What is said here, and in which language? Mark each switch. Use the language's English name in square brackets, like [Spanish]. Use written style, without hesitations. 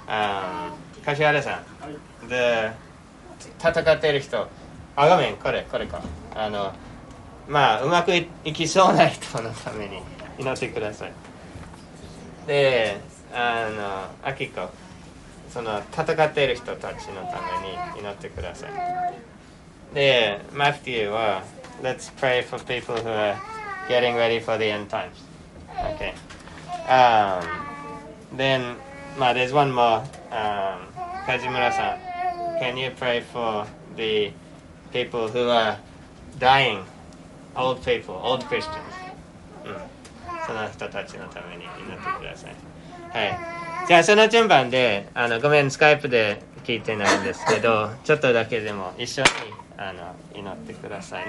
[Japanese] 柏原さん、で戦っている人、あごめん、これか、あのまあうまくいきそうな人のために祈ってください。で、あのアキコ、その戦っている人たちのために祈ってください。で、マフティは [English] Let's pray for people who are getting ready for the end times. Okay. Then, well, there's one more. Kajimura-san, can you pray for the people who are dying? Old people, old Christians. [Japanese] その人たちのために祈ってください。はい。じゃあその順番で、あのごめん、スカイプで聞いてないんですけど、ちょっとだけでも一緒にあの祈ってください。